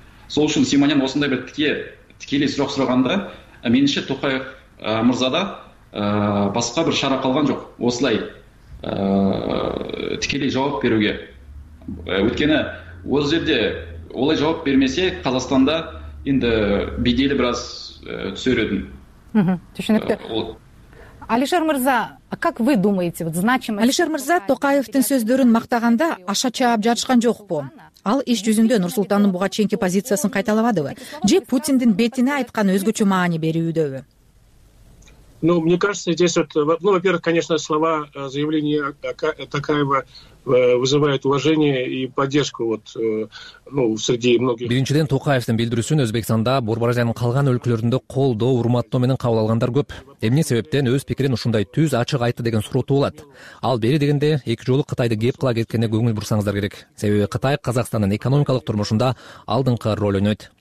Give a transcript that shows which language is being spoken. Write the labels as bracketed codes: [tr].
[kk] Сол үшін Симонян осындай бір тікелей сұрақ сұрағанда меніңше Тоқаев мырзада басқа бір шара қалған жоқ осылай тікелей жауап беруге. Өйткені осы жерде олай жауап бермесе Қазақстанда енді беделі біраз түсер еді. Түсінікті. [ru] Алишер мырза, как вы думаете, вот значимость? Алишер мырза Токаевтың сөздерін мақтағанда аша чаап жатышқан жоқ по. [ky] Ал иш жүзүндө Нурсултандын буга чейинки позициясын кайталабадыбы? Же Путиндин бетине айткан өзгөчө маани берүүдөбү? [ru] Ну, мне кажется, здесь вот, ну, во-первых, конечно, слова, заявления Токаева вызывают уважение и поддержку вот, ну, среди многих. [ky] Биринчиден Токаевдин билдирүүсүн Өзбекстанда, Борбаразиянын калган өлкөлөрүндө колдоо, урматтоо менен кабыл алгандар көп. Эмне себептен өз пикирин ушундай түз ачык айтты деген суроо туулат? Ал бери дегенде эки жолу Кытайды кеп кыла кеткенде көңүл бурсаңыздар керек. Себеби Кытай Казакстандын экономикалык турмушунда алдыңкы роль ойнойт.